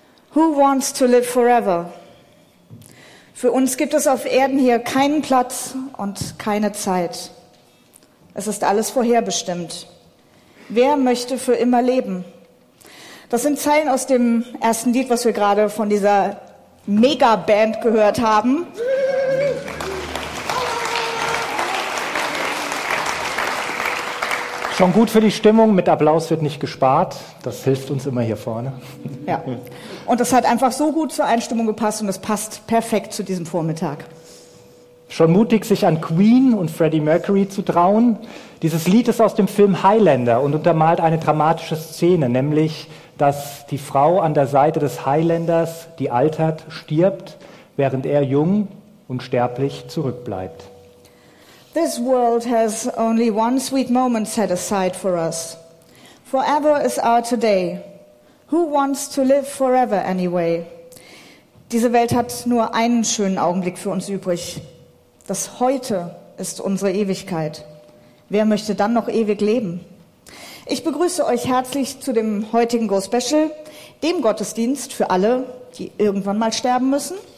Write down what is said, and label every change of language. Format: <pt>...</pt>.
<en>Who wants to live forever?</en> <de>Für uns gibt es auf Erden hier keinen Platz und keine Zeit. Es ist alles vorherbestimmt. Wer möchte für immer leben? Das sind Zeilen aus dem ersten Lied, was wir gerade von dieser Megaband gehört haben. Schon gut für die Stimmung, mit Applaus wird nicht gespart. Das hilft uns immer hier vorne. Ja, und das hat einfach so gut zur Einstimmung gepasst und es passt perfekt zu diesem Vormittag. Schon mutig, sich an Queen und Freddie Mercury zu trauen. Dieses Lied ist aus dem Film Highlander und untermalt eine dramatische Szene, nämlich, dass die Frau an der Seite des Highlanders, die altert, stirbt, während er jung und sterblich zurückbleibt.</de> <en>This world has only one sweet moment set aside for us. Forever is our today. Who wants to live forever anyway?</en> <de>Diese Welt hat nur einen schönen Augenblick für uns übrig. Das Heute ist unsere Ewigkeit. Wer möchte dann noch ewig leben? Ich begrüße euch herzlich zu dem heutigen Go Special, dem Gottesdienst für alle, die irgendwann mal sterben müssen.</de>